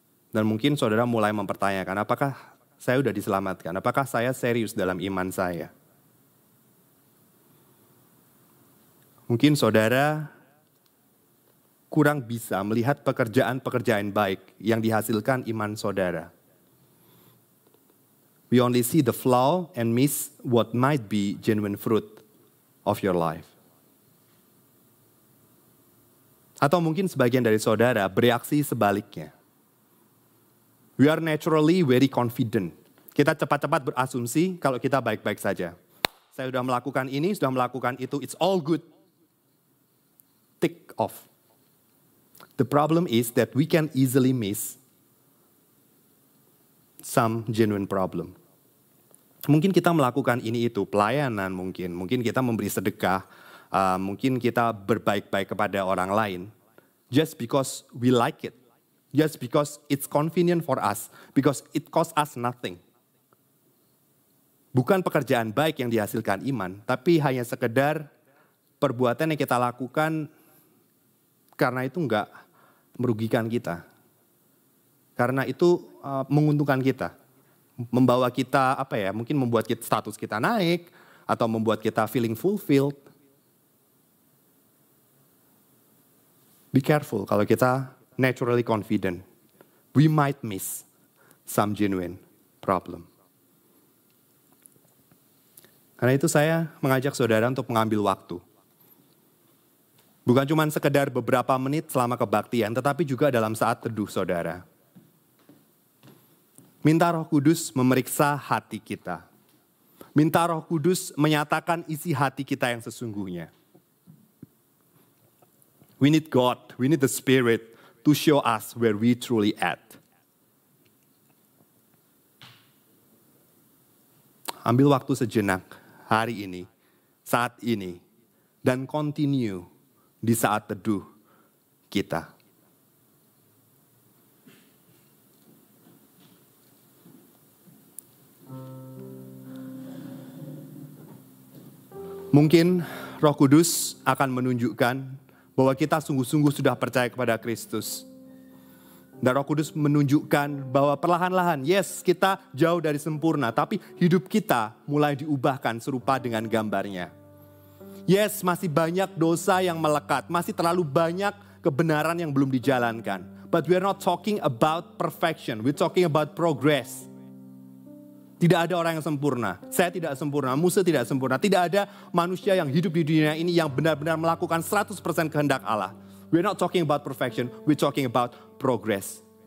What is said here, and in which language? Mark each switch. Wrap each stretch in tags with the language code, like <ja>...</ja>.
<id>Dan mungkin saudara mulai mempertanyakan, apakah saya sudah diselamatkan? Apakah saya serius dalam iman saya? Mungkin saudara kurang bisa melihat pekerjaan-pekerjaan baik yang dihasilkan iman saudara.</id> <en>We only see the flaw and miss what might be genuine fruit of your life.</en> <id>Atau mungkin sebagian dari saudara bereaksi sebaliknya.</id> <en>We are naturally very confident.</en> <id>Kita cepat-cepat berasumsi kalau kita baik-baik saja. Saya sudah melakukan ini, sudah melakukan itu,</id> <en>it's all good. Tick off. The problem is that we can easily miss some genuine problem.</en> <id>Mungkin kita melakukan ini itu, pelayanan mungkin. Mungkin kita memberi sedekah. Mungkin kita berbaik-baik kepada orang lain.</id> <en>Just because we like it. Just because it's convenient for us. Because it costs us nothing.</en> <id>Bukan pekerjaan baik yang dihasilkan iman. Tapi hanya sekedar perbuatan yang kita lakukan. Karena itu enggak merugikan kita. Karena itu menguntungkan kita. Membawa kita, apa ya, mungkin membuat kita, status kita naik, atau membuat kita</id> <en>feeling fulfilled. Be careful</en> <id>kalau kita</id> <en>naturally confident. We might miss some genuine problem.</en> <id>Karena itu saya mengajak saudara untuk mengambil waktu. Bukan cuma sekedar beberapa menit selama kebaktian, tetapi juga dalam saat teduh saudara. Minta Roh Kudus memeriksa hati kita. Minta Roh Kudus menyatakan isi hati kita yang sesungguhnya.</id> <en>We need God, we need the Spirit to show us where we truly at.</en> <id>Ambil waktu sejenak hari ini, saat ini, dan continue di saat teduh kita. Mungkin Roh Kudus akan menunjukkan bahwa kita sungguh-sungguh sudah percaya kepada Kristus. Dan Roh Kudus menunjukkan bahwa perlahan-lahan, yes, kita jauh dari sempurna, tapi hidup kita mulai diubahkan serupa dengan gambarnya. Yes, masih banyak dosa yang melekat. Masih terlalu banyak kebenaran yang belum dijalankan.</id> <en>But we are not talking about perfection. We're talking about progress.</en> <id>Tidak ada orang yang sempurna. Saya tidak sempurna. Musa tidak sempurna. Tidak ada manusia yang hidup di dunia ini yang benar-benar melakukan 100% kehendak Allah.</id> <en>We're not talking about perfection. We're talking about progress.</en>